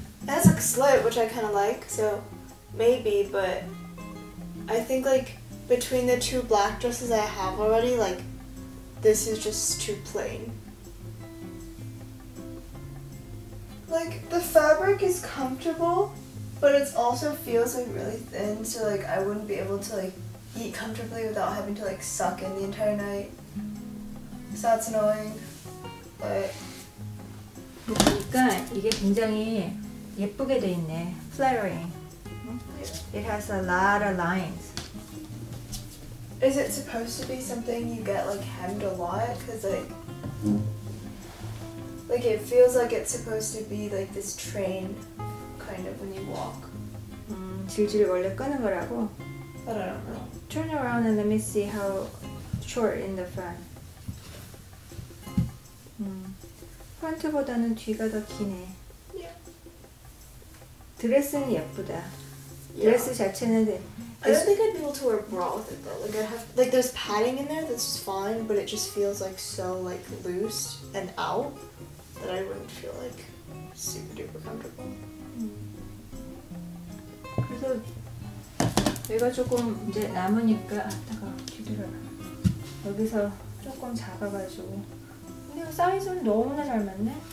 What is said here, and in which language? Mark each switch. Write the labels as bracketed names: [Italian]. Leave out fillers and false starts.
[English] It has a slit, which I kind of like, so maybe, but I think like between the two black dresses I have already, like this is just too plain. Like the fabric is comfortable, but it also feels like really thin, so like I wouldn't be able to like eat comfortably without having to like suck in the entire night. So that's annoying, but. [Korean] 그러니까 이게 굉장히 예쁘게 돼 있네. [English] Flattering. It has a lot of lines. Is it supposed to be something you get like hemmed a lot? Cause like it feels like it's supposed to be like this train kind of when you walk. [Korean] 질질 원래 끄는 거라고? [English] But I don't know. Turn around and let me see how short in the front. [Korean] 프런트보다는 뒤가 더 기네. [English] Yeah. [Korean] 드레스는 예쁘다. Yeah. 드레스 자체는 [English] I don't think I'd be able to wear a bra with it though. Like I have like there's padding in there that's fine, but it just feels like so like loose and out that I wouldn't feel like super duper comfortable. [Korean] 그래서 얘가 조금 이제 남으니까 아따가 기대라 여기서 조금 작아가지고 근데 사이즈는 너무나 잘 맞네.